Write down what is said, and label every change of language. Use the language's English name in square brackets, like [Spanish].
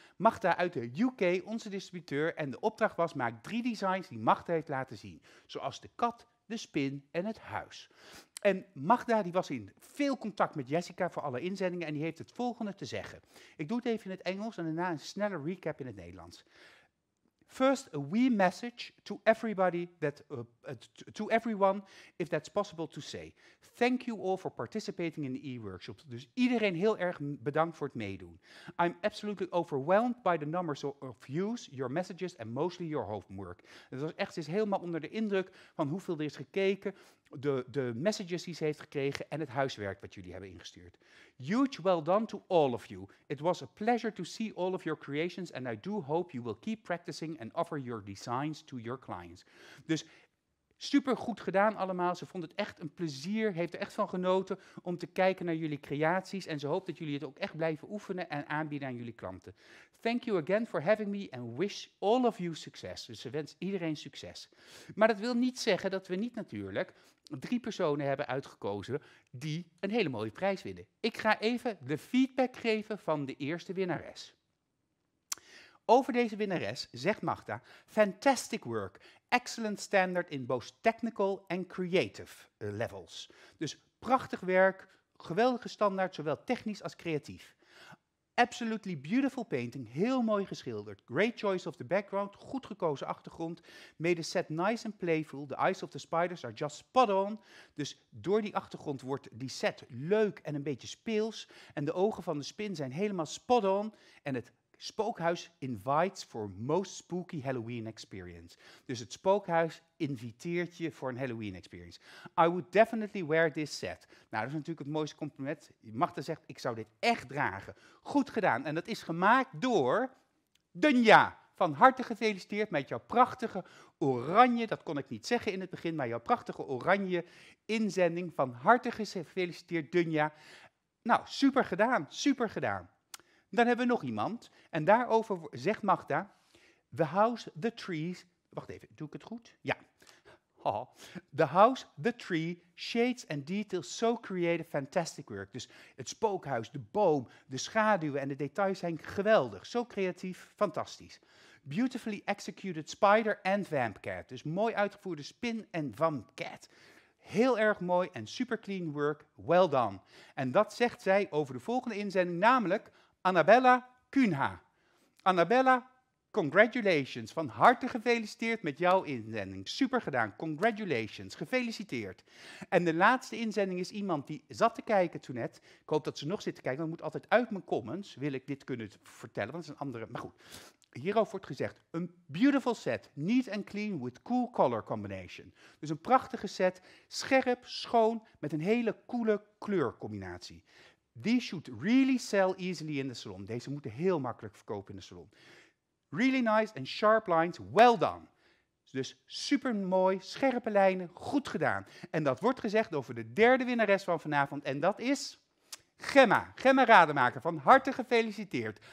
[Dutch] Magda uit de UK, onze distributeur. En de opdracht was, maak 3 designs die Magda heeft laten zien. Zoals de kat, de spin en het huis. En Magda die was in veel contact met Jessica voor alle inzendingen. En die heeft het volgende te zeggen. Ik doe het even in het Engels en daarna een snelle recap in het Nederlands. [English] First, a wee message to everybody that to everyone, if that's possible to say. Thank you all for participating in the e-workshop. [Dutch] Dus iedereen heel erg bedankt voor het meedoen. [English] I'm absolutely overwhelmed by the numbers of views, your messages and mostly your homework. [Dutch] Het was echt, ze is helemaal onder de indruk van hoeveel er is gekeken, de messages die ze heeft gekregen en het huiswerk wat jullie hebben ingestuurd. [English] Huge well done to all of you. It was a pleasure to see all of your creations and I do hope you will keep practicing and offer your designs to your clients. [Dutch] Dus super goed gedaan allemaal. Ze vond het echt een plezier, heeft er echt van genoten om te kijken naar jullie creaties en ze hoopt dat jullie het ook echt blijven oefenen en aanbieden aan jullie klanten. [English] Thank you again for having me and wish all of you success. [Dutch] Dus ze wens iedereen succes. Maar dat wil niet zeggen dat we niet natuurlijk 3 personen hebben uitgekozen die een hele mooie prijs winnen. Ik ga even de feedback geven van de eerste winnares. Over deze winnares zegt [English] Magda, fantastic work, excellent standard in both technical and creative levels. [Dutch] Dus prachtig werk, geweldige standaard, zowel technisch als creatief. [English] Absolutely beautiful painting, [Dutch] heel mooi geschilderd. [English] Great choice of the background, [Dutch] goed gekozen achtergrond. [English] Made the set nice and playful, the eyes of the spiders are just spot on. [Dutch] Dus door die achtergrond wordt die set leuk en een beetje speels. En de ogen van de spin zijn helemaal spot on. En het spookhuis [English] invites for most spooky Halloween experience. [Dutch] Dus het spookhuis inviteert je voor een Halloween experience. [English] I would definitely wear this set. [Dutch] Nou, dat is natuurlijk het mooiste compliment. Magda zegt, ik zou dit echt dragen. Goed gedaan. En dat is gemaakt door Dunja. Van harte gefeliciteerd met jouw prachtige oranje, dat kon ik niet zeggen in het begin, maar jouw prachtige oranje inzending. Van harte gefeliciteerd, Dunja. Nou, super gedaan, super gedaan. Dan hebben we nog iemand. En daarover zegt Magda, the house, the trees. Wacht even, doe ik het goed? Ja. Oh. [English] The house, the tree, shades and details, so creative, fantastic work. [Dutch] Dus het spookhuis, de boom, de schaduwen en de details zijn geweldig. Zo creatief, fantastisch. [English] Beautifully executed spider and vamp cat. [Dutch] Dus mooi uitgevoerde spin en vamp cat. Heel erg mooi en [English] super clean work. Well done. [Dutch] En dat zegt zij over de volgende inzending, namelijk Annabella Kunha. Annabella, [English] congratulations. [Dutch] Van harte gefeliciteerd met jouw inzending. Super gedaan. [English] Congratulations. [Dutch] Gefeliciteerd. En de laatste inzending is iemand die zat te kijken toen net. Ik hoop dat ze nog zit te kijken. Want het moet altijd uit mijn comments. Wil ik dit kunnen vertellen. Want het is een andere. Maar goed. Hierover wordt gezegd. Een beautiful set. [English] Neat and clean with cool color combination. [Dutch] Dus een prachtige set. Scherp, schoon. Met een hele coole kleurcombinatie. [English] These should really sell easily in the salon. [Dutch] Deze moeten heel makkelijk verkopen in de salon. [English] Really nice and sharp lines, well done. [Dutch] Dus super mooi, scherpe lijnen, goed gedaan. En dat wordt gezegd over de derde winnares van vanavond. En dat is Gemma. Gemma Rademaker, van harte gefeliciteerd.